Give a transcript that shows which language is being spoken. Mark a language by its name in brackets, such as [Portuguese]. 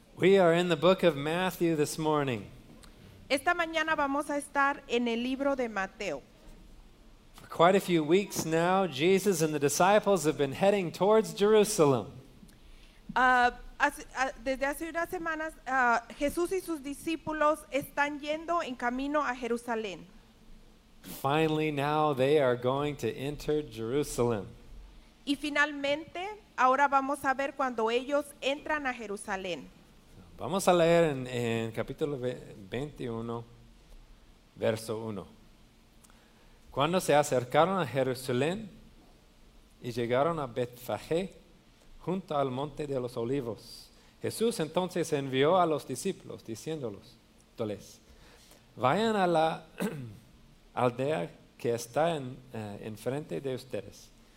[English] We are in the book of Matthew this morning. [Spanish] Esta mañana vamos a estar en el libro de Mateo. [English] For quite a few weeks now, Jesus and the disciples have been heading towards Jerusalem. [Spanish] Desde hace unas semanas, Jesús y sus discípulos están yendo en camino a Jerusalén. [English] Finally, now they are going to enter Jerusalem. [Spanish] Y finalmente, ahora vamos a ver cuando ellos entran a Jerusalén. Vamos a leer en capítulo 21, verso 1. Cuando se acercaron a Jerusalén y llegaron a Betfagé, junto al monte de los olivos, Jesús entonces envió a los discípulos, diciéndoles, vayan a la aldea que está en frente de ustedes.